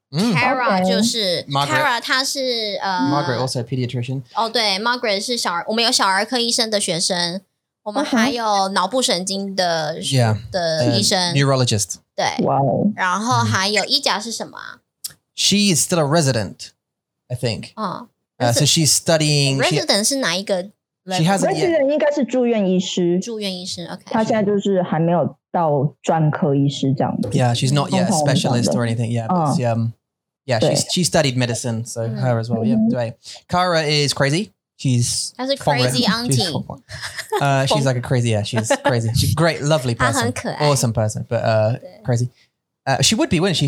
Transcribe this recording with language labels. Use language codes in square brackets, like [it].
[zh] Kara 就是 Kara，她是 [en] Margaret also pediatrician。 [zh] 哦，对 ，Margaret 是我们有小儿科医生的学生，我们还有脑部神经的医生 [en] neurologist。 [zh] 对，哇哦。然后还有医甲是什么啊？ [en] She is still a resident, I think. So she's studying. [zh] Resident 是哪一个 [en] She hasn't yet. [zh] 那些人应该是住院医师。住院医师 ，OK。他现在就是还没有到专科医师这样子。 [en] Yeah, she's not yet a specialist or anything. Yeah, but she, yeah, she studied medicine, so her as well. Yeah, 对。 Kara is crazy. She's a crazy auntie. She's like a crazy. Yeah, she's crazy. She's a great, lovely person. [zh] 她很可爱。 [en] Awesome person, but crazy. She would be, wouldn't she?